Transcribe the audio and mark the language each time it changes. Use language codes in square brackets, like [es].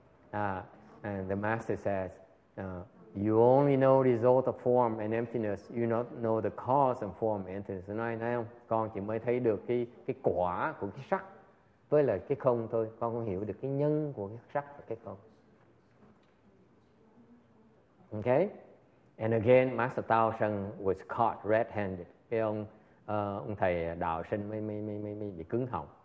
[en] And the master says, you only know the result of form and emptiness. You not know the cause of form and emptiness. [vi] Nói thấy không? Con chỉ mới thấy được cái quả của cái sắc với là cái không thôi. Con không hiểu được cái nhân của cái sắc và cái không. [en] Okay? And again, Master Tao Sheng was caught red-handed. [vi] Cái ông thầy đạo sinh mới bị cứng họng.